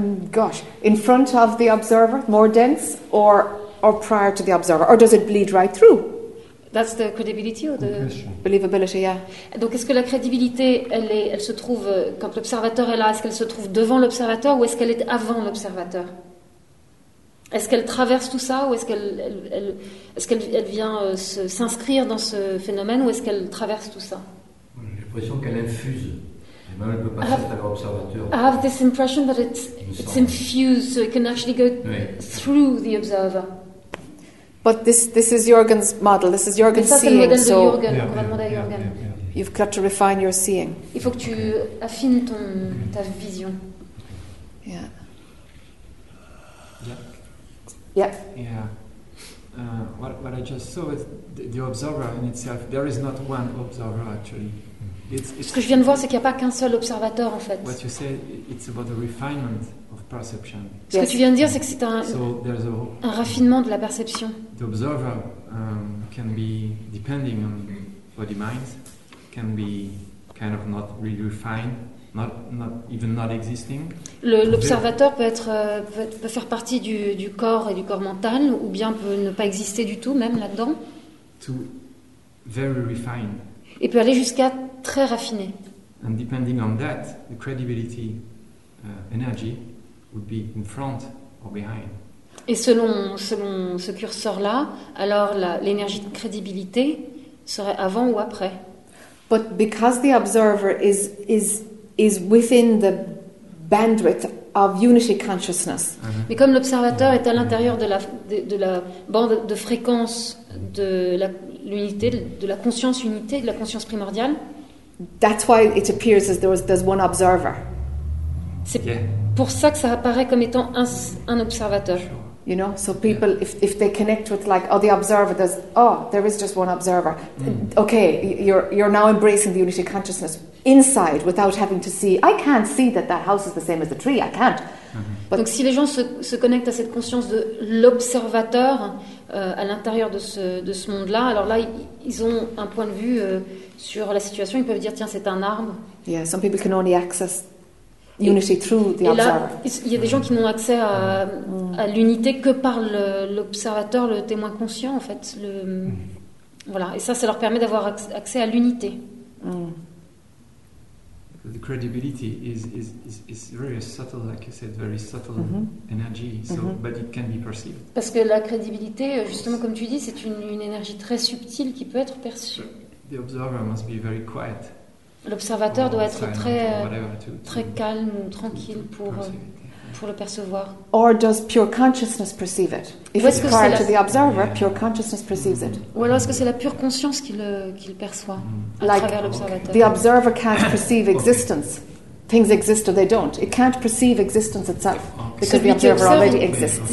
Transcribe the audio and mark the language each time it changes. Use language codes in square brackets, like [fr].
[en] Gosh, in front of the observer, more dense, or prior to the observer, or does it bleed right through? That's the credibility or the believability, yeah. [fr] Donc est-ce que la crédibilité elle se trouve quand l'observateur est là, est-ce qu'elle se trouve devant l'observateur ou est-ce qu'elle est avant l'observateur? Est-ce qu'elle traverse tout ça ou est-ce qu'elle vient s'inscrire dans ce phénomène ou est-ce qu'elle traverse tout ça? J'ai l'impression qu'elle infuse. Et même elle peut passer à l'observateur. [en] I have this impression that it's infused, so it can actually go through the observer. But this is Jürgen's model. This is Jürgen's seeing. [fr] Mais ça, c'est le modèle de Jürgen. On va demander à Jürgen. [en] You've got to refine your seeing. [fr] Il faut que tu affines ta vision. [en] Yeah. What I just saw is the observer in itself. There is not one observer actually. [fr] Ce que je viens de voir, c'est qu'il n'y a pas qu'un seul observateur en fait. [en] What you say, it's about the refinement. Perception. [fr] Ce [en] yes. [fr] que tu viens de dire, c'est que c'est un raffinement de la perception. [en] The observer can be, depending on body mind, can be kind of not really refined, not even not existing. [fr] L'observateur peut faire partie du corps et du corps mental, ou bien peut ne pas exister du tout, même là-dedans. [en] To very refined. [fr] Et peut aller jusqu'à très raffiné. [en] And depending on that, the credibility energy. Would be in front or behind. [fr] Et selon ce curseur-là, alors l'énergie de crédibilité serait avant ou après. [en] But because the observer is within the bandwidth of unity consciousness. Uh-huh. [fr] Mais comme l'observateur est à l'intérieur de la bande de fréquence de l'unité, de la conscience unité, de la conscience primordiale. [en] That's why it appears as there's one observer. [fr] C'est pour ça que ça apparaît comme étant un observateur. [en] You know, so people, if they connect with like, oh, the observer, there is just one observer. Mm. Okay, you're now embracing the unity consciousness inside without having to see. I can't see that house is the same as the tree. I can't. Mm-hmm. But, [fr] donc si les gens se connectent à cette conscience de l'observateur à l'intérieur de ce monde-là, alors là, ils ont un point de vue sur la situation. Ils peuvent dire, tiens, c'est un arbre. [en] Yeah, some people can only access unity through the observer. [fr] Il y a des gens qui n'ont accès à l'unité que par l'observateur, le témoin conscient, en fait. Voilà. Et ça leur permet d'avoir accès à l'unité. Mm. [en] the credibility is very subtle, like you said, very subtle energy. So, but it can be perceived. [fr] Parce que la crédibilité, justement, comme tu dis, c'est une énergie très subtile qui peut être perçue. [en] The observer must be very quiet. [fr] L'observateur doit être très très calme, tranquille pour le percevoir. [en] Or does pure consciousness perceive it? If it's prior to the observer, pure consciousness perceives it. [fr] Ou alors est-ce que c'est la pure conscience qui le perçoit à travers l'observateur? [en] The observer can't perceive existence. Things exist or they don't. It can't perceive existence itself because the observer already exists.